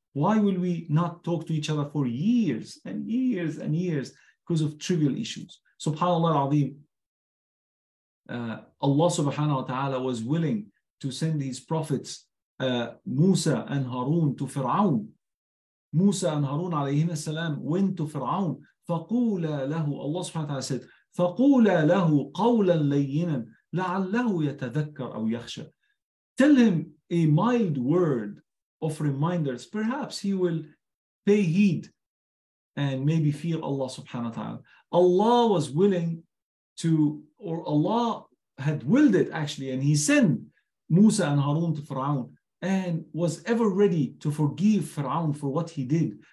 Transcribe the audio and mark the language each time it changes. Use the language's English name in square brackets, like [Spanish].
[English] Why will we not talk to each other for years and years and years because of trivial issues? Subhanallah al-Azim. Allah subhanahu wa ta'ala was willing to send his prophets, Musa and Harun, to Fir'aun. Musa and Harun alayhim as-salam went to Fir'aun. [Arabic] فَقُولَ لَهُ [English] Allah subhanahu wa ta'ala said, [Arabic] فَقُولَ لَهُ قَوْلًا لَيِّنًا لَعَلَّهُ يَتَذَكَّرْ أَوْ يَخْشَى. [English] Tell him a mild word of reminders. Perhaps he will pay heed and maybe fear Allah subhanahu wa ta'ala. Allah was willing to, or Allah had willed it actually, and he sent Musa and Harun to Fir'aun and was ever ready to forgive Fir'aun for what he did.